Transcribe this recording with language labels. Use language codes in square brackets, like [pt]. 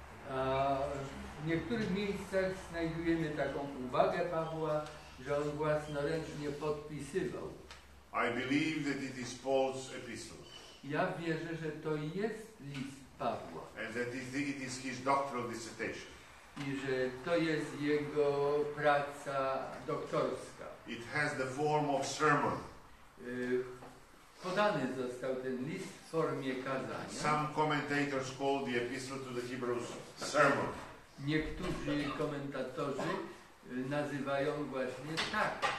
[pl] A w niektórych miejscach znajdujemy taką uwagę Pawła, że on własnoręcznie podpisywał. [en] I believe that it is Paul's epistle. [pl] Ja wierzę, że to jest list Pawła. [en] And that it is his doctoral dissertation. [pl] I że to jest jego praca doktorska. [en] It has the form of sermon. [pl] Podany został ten list w formie kazania. [en] Some commentators call the epistle to the Hebrews sermon. [pl] Niektórzy komentatorzy nazywają właśnie tak.